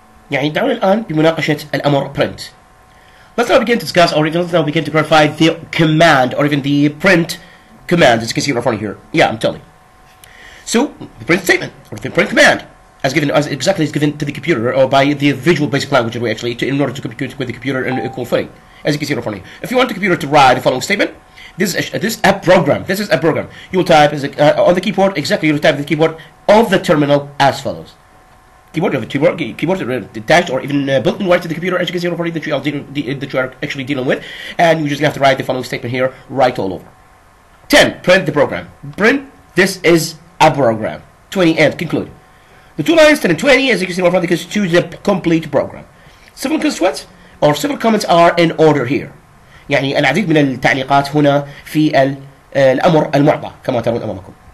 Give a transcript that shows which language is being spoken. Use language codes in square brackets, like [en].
[ar] يعني دعونا الآن بمناقشة الأمر print. [en] Let's now begin to discuss or even let's now begin to clarify the command or even the print command. As you can see right here. Yeah, I'm telling. So, the print statement or the print command as given to the computer or by the visual basic language that we actually in order to communicate with the computer in equal footing. As you can see right here. If you want the computer to write the following statement, This is a program. You will type on the keyboard, exactly, you will type the keyboard of the terminal as follows. Keyboard attached or even built in right to the computer, as you can see, already that you are actually dealing with. And you just have to write the following statement here, right all over. 10, print the program. Print, this is a program. 20, end, conclude. The two lines, 10 and 20, as you can see, already constitute the complete program. Several constraints or several comments are in order here. [ar] يعني العديد من التعليقات هنا في الأمر المعطى كما ترون أمامكم.